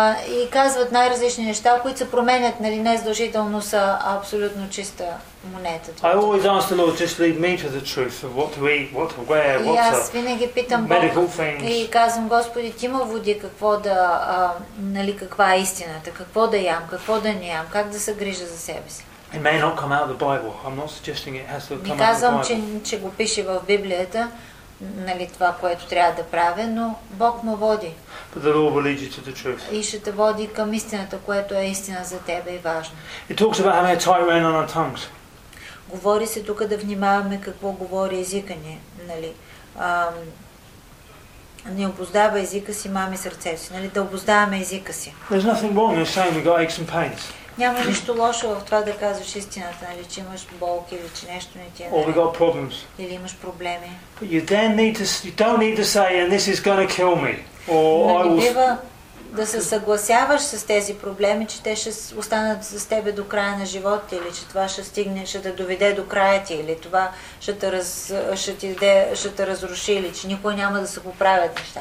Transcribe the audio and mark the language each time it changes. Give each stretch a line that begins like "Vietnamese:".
Bulgarian: И казват най-различни неща, които се променят, нали, не задължително са абсолютно чиста монета.
English: I always ask the Lord, just lead me to the truth of what to eat, what to wear, what's up.
Bulgarian: И аз винаги питам Бог и казвам, Господи, ти ме води какво да, нали, каква е истината, какво да ям, какво да не ям, как да се грижа за себе си.
English: It may not come out of the Bible. I'm not suggesting it has to come out of the Bible.
Bulgarian: Не казвам, че го пише в Библията, нали, това, което трябва да правя, но Бог ме води.
English: But the Lord will lead you to the truth.
Bulgarian: И ще те води към истината, което е истина за тебе и важно.
English: It talks about having a tight rein on our tongues.
Bulgarian: Говори се тук да внимаваме какво говори езика ни, нали. Не обуздава езика си, мами сърцето си, нали, да обуздаваме езика си.
English: There's nothing wrong in saying we got aches and pains.
Bulgarian: Няма нищо лошо в това да казваш истината, нали, че имаш болки или че нещо не ти е.
English: Or we got problems.
Bulgarian: Или имаш проблеми.
English: But you then need to, you don't need to say, and this is gonna kill me. Or I will...
Bulgarian: Да се съгласяваш с тези проблеми, че те ще останат с тебе до края на живота, или че това ще стигне, ще те доведе до края ти, или това ще те, ще те разруши, или че никой няма да се поправят